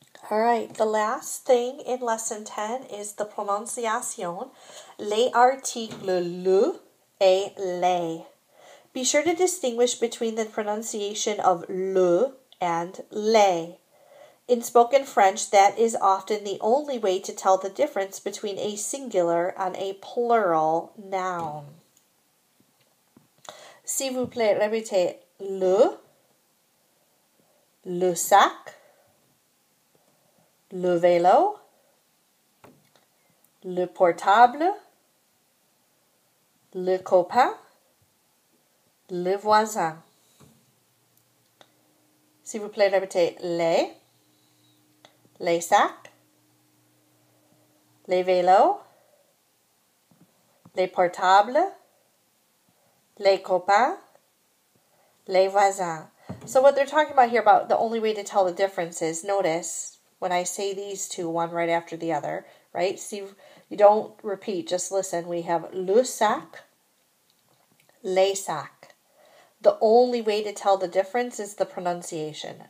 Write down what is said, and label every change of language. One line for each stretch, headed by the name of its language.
English: All right, the last thing in lesson 10 is the pronunciation,
French: les articles le et les.
English: Be sure to distinguish between the pronunciation of le and les. In spoken French, that is often the only way to tell the difference between a singular and a plural noun.
French: S'il vous plaît, répétez le sac, le vélo, Le portable. Le copain. Le voisin. S'il vous plaît, répétez les sacs, les vélos, les portables, les copains, les voisins.
English: So what they're talking about here, about the only way to tell the difference is, notice when I say these two, one right after the other, right? See, you don't repeat, just listen. We have
French: le sac, les sacs.
English: The only way to tell the difference is the pronunciation.